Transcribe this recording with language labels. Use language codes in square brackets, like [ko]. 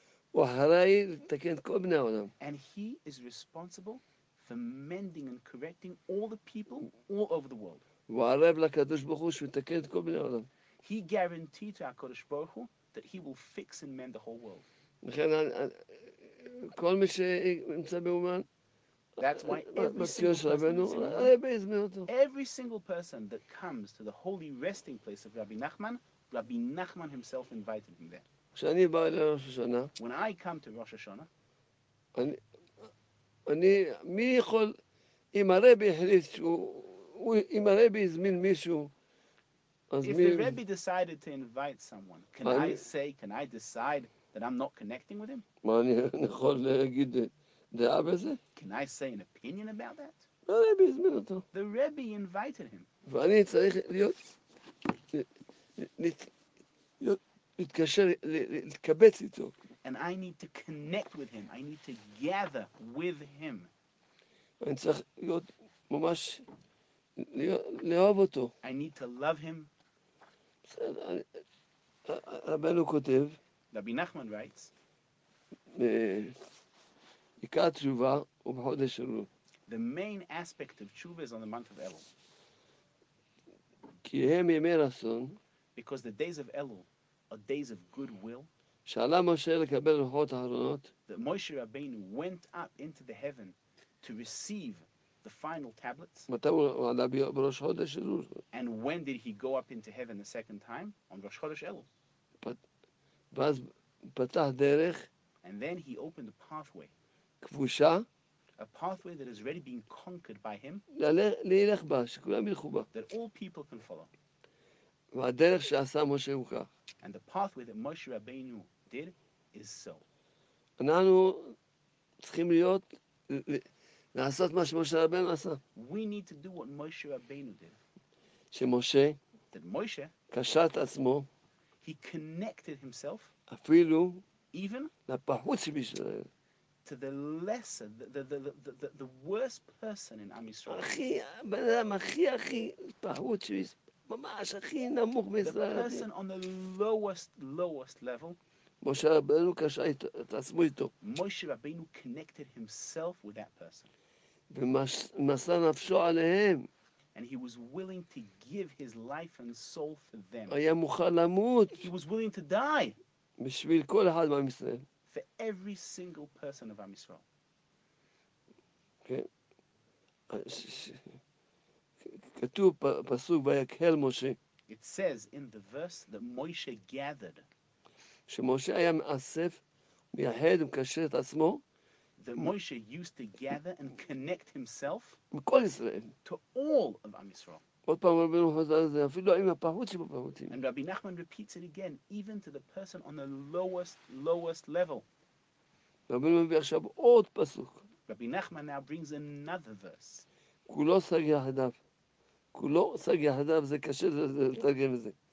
[he] הוא אחראי לתקן את כל בני העולם. [en] And he is responsible for mending and correcting all the people all over the world. [he] הוא הרב לקדוש ברוך הוא שמתקן את כל בני העולם. [en] He guaranteed to HaKadosh Baruch Hu that he will fix and mend the whole world. [he] כל מי שנמצא באומן, הרבי הזמין אותו. [en] Every single person that comes to the holy resting place of Rabbi Nachman, Rabbi Nachman himself invited him there. [he] כשאני בא לראש השנה, [en] when I come to Rosh Hashanah, [he] אני, מי יכול, אם הרבי החליט שהוא, אם הרבי הזמין מישהו, אז מי... [en] If the Rabbi decided to invite someone, can I decide that I'm not connecting with him? [he] מה אני יכול להגיד דעה בזה? [en] Can I say an opinion about that? [he] הרבי הזמין אותו. [en] The Rebbe invited him. [he] ואני צריך להיות... להתקשר, להתקבץ איתו. [en] And I need to connect with him. I need to gather with him. [he] אני צריך להיות ממש... לאהוב אותו. [en] I need to love him. [he] רבנו כותב... [en] Rabbi Nachman writes, [he] עיקר תשובה הוא בחודש אלול. [en] The main aspect of tshuva is on the month of Elul. [he] כי הם ימי רצון. [en] Because the days of Elul are days of goodwill. [he] שעלה משה לקבל לוחות אחרונות. [en] That Moshe Rabbeinu went up into the heaven to receive the final tablets. [he] מתי הוא עלה בראש חודש אלול? [en] And when did he go up into heaven the second time? On Rosh Chodesh Elul. [he] ואז פתח דרך. [en] And then he opened a pathway. [he] כבושה. [en] A pathway that has already been conquered by him. [he] להילך בה, שכולם ילכו בה. [en] That all people can follow. [he] והדרך שעשה משה הוא כך. [en] And the pathway that Moshe Rabbeinu did is so. [he] אנחנו צריכים להיות, לעשות מה שמשה רבנו עשה. [en] We need to do what Moshe Rabbeinu did. [he] שמשה. [en] That Moshe. [he] קשר את עצמו. [en] He connected himself [he] אפילו [en] even [he] לפחות שבישראל [en] to the lesser the worst person in Am Yisrael. [he] הכי בן אדם הכי פחות שבישראל, ממש הכי נמוך בישראל, [en] the person on the lowest level. [he] משה רבינו קשה את עצמו איתו. [en] Moshe Rabbeinu connected himself with that person. [he] ומסר נפשו עליהם. [en] And he was willing to give his life and soul for them. [he] היה מוכן למות. [en] He was willing to die. [he] בשביל כל אחד מעם ישראל. [en] For every single person of Am Yisrael. [he] כתוב פסוק ויקהל משה. [en] It says in the verse that Moshe gathered. [he] שמשה היה מאסף, מייחד ומקשר את עצמו. [en] That Moshe used to gather and connect himself [he] מכל ישראל. [en] To all of Am Yisrael. [he] עוד פעם רבינו חזר לזה, אפילו עם הפחות שבפחותים. [en] And Rabbi Nachman repeats it again, even to the person on the lowest level. [he] רבינו מביא עכשיו עוד פסוק. [en] Rabbi Nachman now brings another verse. [he] כולו שג יחדיו. כולו שג יחדיו, זה קשה לתרגם את זה.